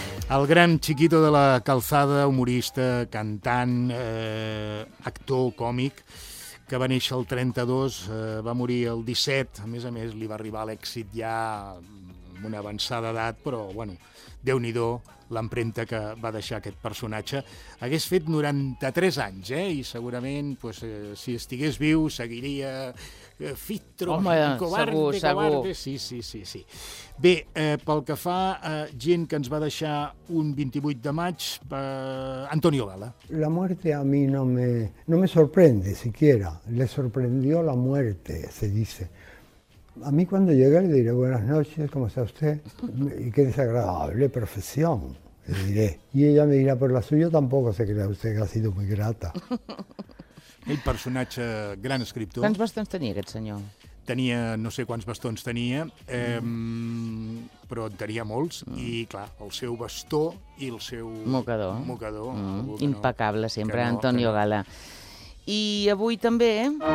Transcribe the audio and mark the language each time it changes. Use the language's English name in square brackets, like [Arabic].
[Catalan] El gran Chiquito de la Calzada, humorista, cantant, actor còmic, que va néixer el 32, va morir el 17, a més li va arribar l'èxit ja una avançada edat, però, bueno, déu-n'hi-do l'empremta que va deixar aquest personatge. Hagués fet 93 anys, eh? I segurament, pues, si estigués viu, seguiria... Fitro, home, covarde, segur, covarde. Segur. Sí, sí, sí, sí. Bé, pel que fa a gent que ens va deixar un 28 de maig, Antonio Gala. [Spanish] La muerte a mí no me sorprende siquiera. Le sorprendió la muerte, se dice. A mí cuando llegué le diré buenas noches, ¿cómo está usted? Y qué desagradable profesión, le diré. Y ella me dirá, pero la suya tampoco se crea usted que ha sido muy grata. [Catalan] Aquell personatge, gran escriptor. Quants bastons tenia aquest senyor? Tenia, no sé quants bastons tenia, però en tenia molts. Mm. I, clar, el seu bastó i el seu... mocador. Mocador. Mm. Impecable, no, sempre, no, Antonio Gala. I avui també...